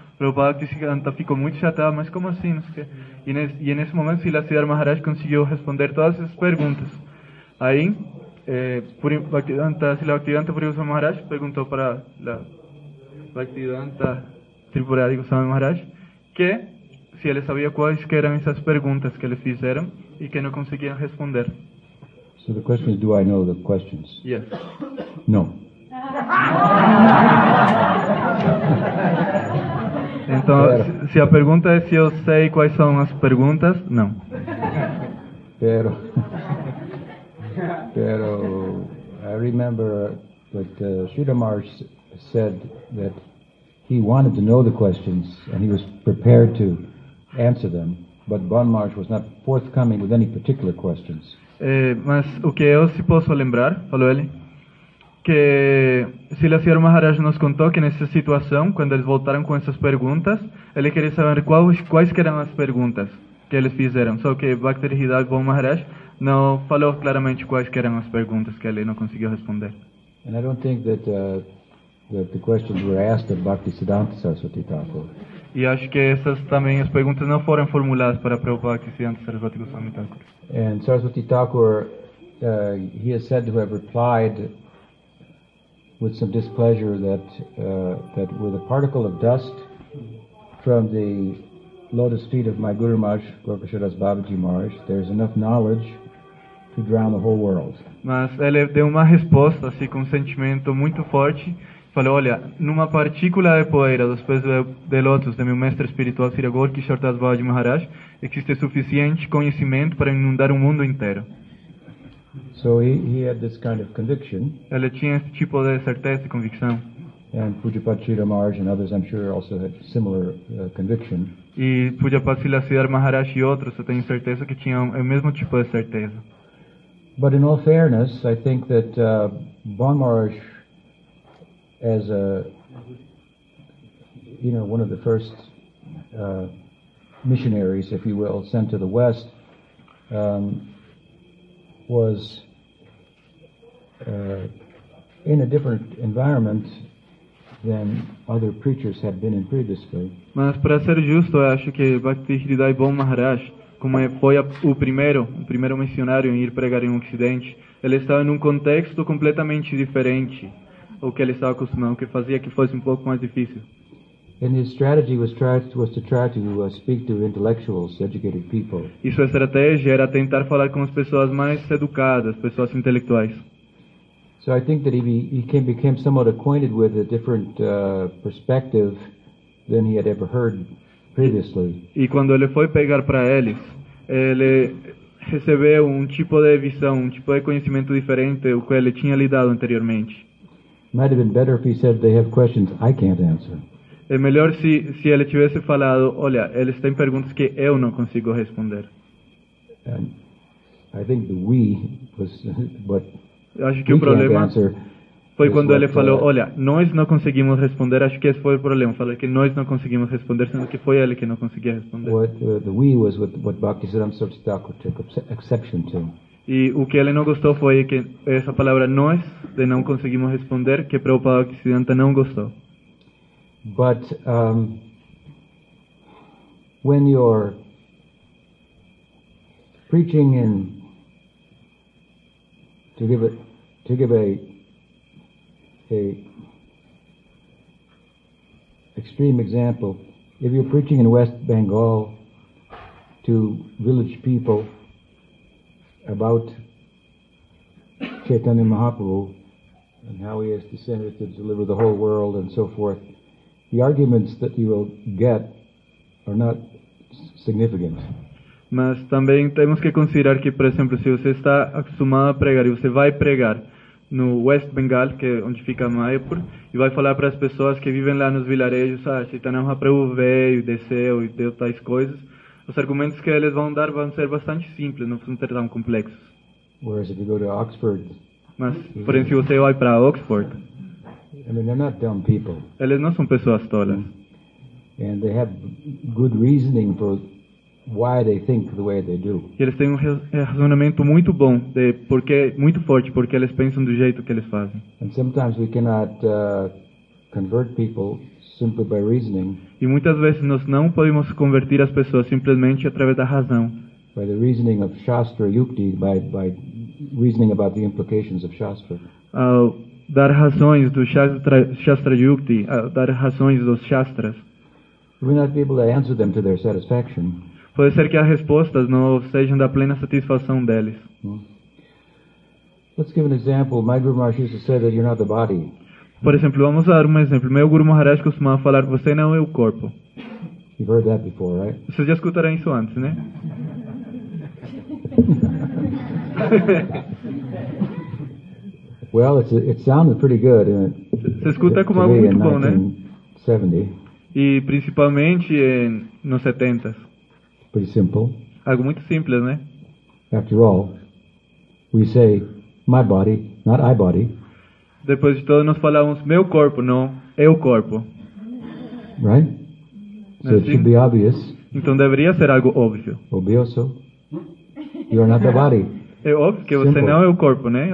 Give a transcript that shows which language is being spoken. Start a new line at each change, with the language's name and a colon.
Portuguese: Prabhupada Bhaktisiddhanta ficou muito chateado, mas como assim? Não sei o quê. E nesse momento, Srila Sridhar Maharaj conseguiu responder todas essas perguntas. Aí, Srila Bhaktisiddhanta Puri Goswami Maharaj perguntou para Bhaktisiddhanta Tripurari Goswami Maharaj que se ele sabia quais que eram essas perguntas que eles fizeram e que não conseguiam responder.
English: So the question is, do I know the questions? Yes. No.
Portuguese: Então, se a pergunta é se eu sei quais são as perguntas, não.
Spanish: Pero, pero
English: I remember that Sridhar Maharaj said that he wanted to know the questions, and he was prepared to answer them, but Bon Marsh was not forthcoming with any particular questions.
Portuguese: Mas o que eu se posso lembrar, falou ele, que Srila Sridhar Maharaj nos contou que nessa situação, quando eles voltaram com essas perguntas, ele queria saber quais que eram as perguntas que eles fizeram, só que Bhakti Hidal Bon Maharaj não falou claramente quais que eram as perguntas que ele não conseguiu responder.
English: And I don't think that that the questions were asked of Bhaktisiddhanta Saraswati Thakur.
Portuguese: E acho que essas também as perguntas não foram formuladas para Prabhupada Bhaktisiddhanta Saraswati Goswami Thakur.
English: And Saraswati Thakur, he is said to have replied with some displeasure that that with a particle of dust from the lotus feet of my Guru Maharaj, Gorkhasharas Babaji Maharaj, there is enough knowledge to drown the whole world.
Portuguese: Mas ele deu uma resposta assim com um sentimento muito forte. Falou, olha, numa partícula de poeira dos pés de lótus de meu mestre espiritual Sri Gorkhasharas Babaji Maharaj existe suficiente conhecimento para inundar o mundo inteiro.
English: So he had this kind of conviction.
Portuguese: Ele tinha esse tipo de certeza e convicção.
English: And Pujapati Sridhar Maharaj and others, I'm sure, also had similar conviction.
Portuguese: E Pujapati Srila Sridhar Maharaj e outros, eu tenho certeza que tinham o mesmo tipo de certeza.
English: But in all fairness, I think that Bon Maharaj, as a, you know, one of the first missionaries, if you will, sent to the West, was in a different environment than other preachers had been in previously.
Portuguese: Mas para ser justo, eu acho que Bhakti Hridai Bon Maharaj, como foi o primeiro missionário em ir pregar em Ocidente, ele estava em um contexto completamente diferente. O que ele estava acostumado, o que fazia que fosse um pouco mais difícil.
English: And his strategy was to try to speak to intellectuals, educated people.
Portuguese: E sua estratégia era tentar falar com as pessoas mais educadas, pessoas intelectuais.
English: So I think that he became somewhat acquainted with a different perspective than he had ever heard previously.
Portuguese: E quando ele foi pegar para eles, ele recebeu um tipo de visão, um tipo de conhecimento diferente do que ele tinha lidado anteriormente.
English: Might have been better if he said they have questions I can't answer.
Portuguese: É melhor se ele tivesse falado, olha, eles têm perguntas que eu não consigo responder.
English: And I think the we was what
Portuguese: acho que o problema foi quando ele falou, olha, nós não conseguimos responder, acho que esse foi o problema, falei que nós não conseguimos responder, sendo que foi ele que não conseguia responder.
English: The we was what Bhaktisiddhanta Saraswati Thakur took exception to.
Portuguese: E o que ele não gostou foi que essa palavra nós, de não conseguimos responder, que Prabhupada Bhaktisiddhanta não gostou.
English: But when you're preaching in to give a extreme example, if you're preaching in West Bengal to village people about Chaitanya Mahaprabhu and how he has descended to deliver the whole world and so forth, the arguments that you will get are not significant.
Portuguese: Mas também temos que considerar que, por exemplo, se você está acostumado a pregar e você vai pregar no West Bengal, que é onde fica Mayapur, e vai falar para as pessoas que vivem lá nos vilarejos, ah, Chaitanya Mahaprabhu veio, desceu e deu tais coisas, os argumentos que eles vão dar vão ser bastante simples, não vão ser tão complexos.
English: Whereas if you go to Oxford,
Portuguese: mas, porém, se você vai para Oxford,
English: I mean, they're not dumb people.
Portuguese: Eles não são pessoas tolas.
English: And they have good reasoning for why they think the way they do.
Portuguese: Eles têm razonamento muito bom, de porque muito forte, porque eles pensam do jeito que eles fazem.
English: And sometimes we cannot convert people simply by reasoning.
Portuguese: E muitas vezes nós não podemos convertir as pessoas simplesmente através da razão.
English: By the reasoning of Shastra Yukti, by reasoning about the implications of Shastra.
Portuguese: Dar razões do Shastra Yukti, dar razões dos Shastras.
English: We may not be able to answer them to their satisfaction.
Portuguese: Pode ser que as respostas não sejam da plena satisfação deles.
English: Let's give an example. My Guru Maharaj used to say that you're not the body.
Portuguese: Por exemplo, vamos dar um exemplo. Meu Guru Maharaj costumava falar: você não é o corpo.
English: You've heard that before, right?
Portuguese: Vocês já escutaram isso antes, né?
English: Well, it sounded pretty good.
Portuguese: Você escuta como algo muito bom, né?
English: 70.
Portuguese: E principalmente nos 70s.
English: Pretty simple.
Portuguese: Algo muito simples, né?
English: After all, we say my body, not I body.
Portuguese: Depois de tudo, nós falamos meu corpo, não eu corpo.
English: Right? So
Portuguese: assim,
English: it should be obvious.
Portuguese: Então deveria ser algo óbvio. Obvioso.
English: You are not the body.
Portuguese: É óbvio que simple. Você não é o corpo, né?